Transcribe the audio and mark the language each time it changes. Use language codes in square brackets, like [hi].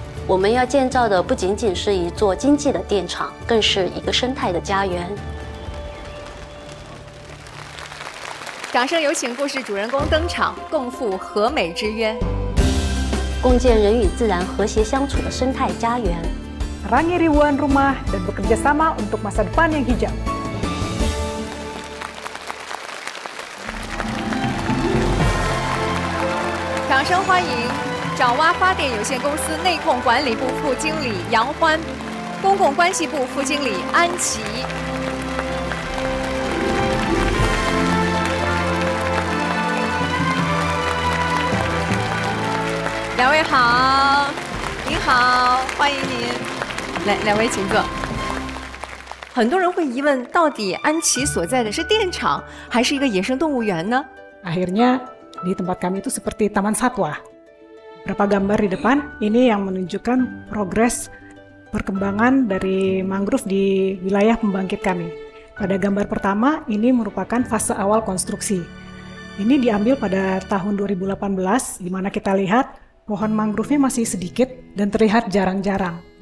[zh] 我们要建造的不仅仅是一座经济的电厂，更是一个生态的家园。掌声有请故事主人公登场，共赴和美之约，共建人与自然和谐相处的生态家园。 [id] Rangi ribuan rumah dan bekerja sama untuk masa depan yang hijau. [zh] 掌声欢迎爪哇发电有限公司内控管理部副经理杨欢，公共关系部副经理安琪。两位好，您好，欢迎您。来，两位请坐。很多人会疑问，到底安琪所在的是电厂还是一个野生动物园呢？ [id] Akhirnya di tempat kami itu seperti taman satwa. Berapa gambar di depan ini yang menunjukkan progres perkembangan dari mangrove di wilayah pembangkit kami. Pada gambar pertama ini merupakan fase awal konstruksi. Ini diambil pada tahun 2018, di mana kita lihat pohon mangrovenya masih sedikit dan terlihat jarang-jarang.